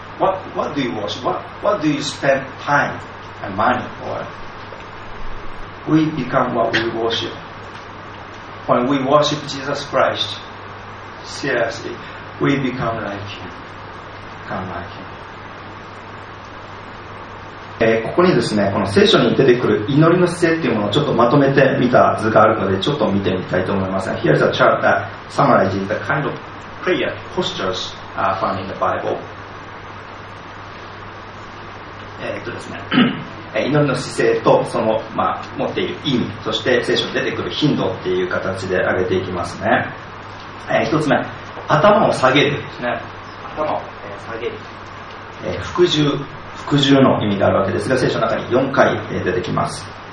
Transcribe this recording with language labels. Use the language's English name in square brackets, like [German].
[English] What do you worship? What do you spend time and money for? We become what we worship. When we worship Jesus Christ, seriously, we become like Him. Become like Him. [Japanese] ここにですね、この聖書に出てくる祈りの姿勢っていうものをちょっとまとめてみた図があるので、ちょっと見てみたいと思います。 [English] Here's a chart that summarizes the kind of prayer postures found in the Bible. [Japanese] ですね、祈りの姿勢とその、持っている意味、そして聖書に出てくる頻度っていう形で挙げていきますね。一つ目、頭を下げるですね。頭を下げる。服従の意味があるわけですが、聖書の中に4回出てきます。